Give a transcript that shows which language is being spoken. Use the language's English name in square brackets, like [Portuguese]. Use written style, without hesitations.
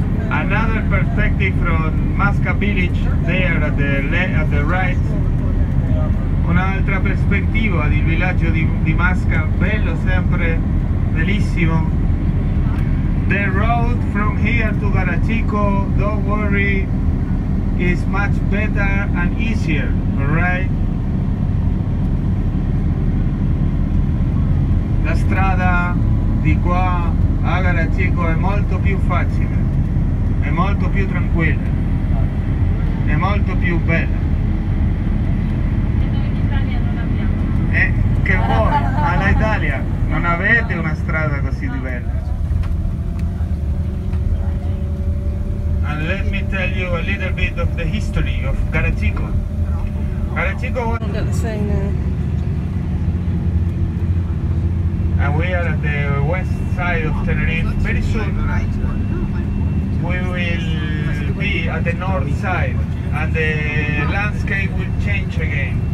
[English] Another perspective from Masca Village there at the right. [Italian] Una altra perspectiva del villaggio di Masca, bello sempre, bellissimo. [English] The road from here to Garachico, don't worry, is much better and easier, alright? [Italian] La strada di qua a Garachico è molto più facile. È molto più tranquilla, è molto più bella. E noi in Italia non abbiamo. Che vuoi? Alla Italia non avete una strada così di bella. [English] And let me tell you a little bit of the history of Garachico. Garachico was... And we are at the west side of Tenerife. Very soon we will be at the north side and the landscape will change again.